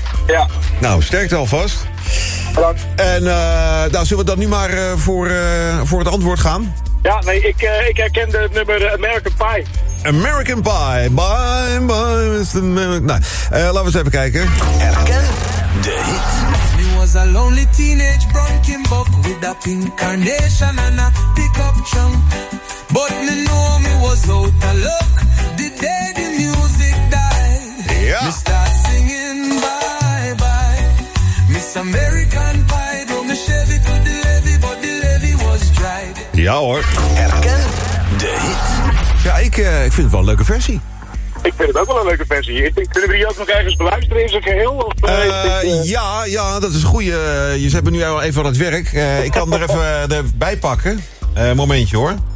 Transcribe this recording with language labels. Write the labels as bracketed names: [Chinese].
[Dutch] Ja. Nou, sterkte alvast. Bedankt. En nou, zullen we dan nu maar voor het antwoord gaan? Ja, nee, ik herken het nummer American Pie. [English] American Pie. Bye, Mr. American. [Dutch] Nou, laten we eens even kijken. Herken de hit. [English] Me was a lonely teenage broken buck with a pink carnation and a pickup trunk. But me know me was out of luck the day the music died. Yeah. Me start singing bye-bye. Miss American Pie. Though me shave it to the levy, but the levy was dried. [Dutch] Ja hoor. Herken de hit. Ja, ik vind het wel een leuke versie. Ik vind het ook wel een leuke versie. Kunnen we die ook nog ergens beluisteren in zijn geheel? Ja, dat is een goeie. Je zet me nu even aan het werk. Ik kan er even erbij pakken. Momentje hoor.